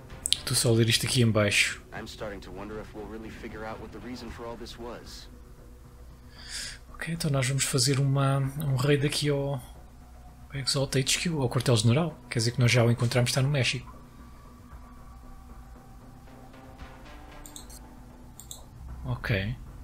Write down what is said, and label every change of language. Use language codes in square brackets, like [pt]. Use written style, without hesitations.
[pt] Estou só a ler isto aqui em baixo. [en] I'm starting to wonder if we'll really figure out what the reason for all this was. [pt] Ok, então nós vamos fazer um raid aqui ao Exalt HQ, ao quartel-general. Quer dizer que nós já o encontramos, está no México. Ok.